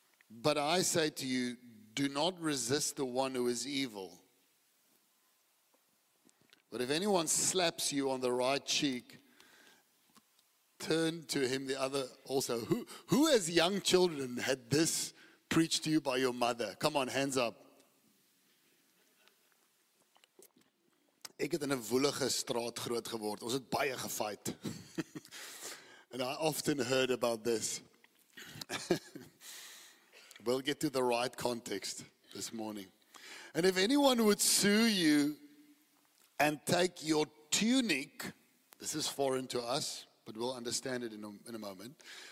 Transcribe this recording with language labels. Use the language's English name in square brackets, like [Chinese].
[English] But I say to you, do not resist the one who is evil. But if anyone slaps you on the right cheek, turn to him the other also. Who as young children had this preached to you by your mother? Come on, hands up. [Afrikaans] Ek het in 'n woelige straat groot geword. Ons het baie gefight. [English] And I often heard about this. We'll get to the right context this morning. And if anyone would sue you and take your tunic, this is foreign to us, but we'll understand it in a moment.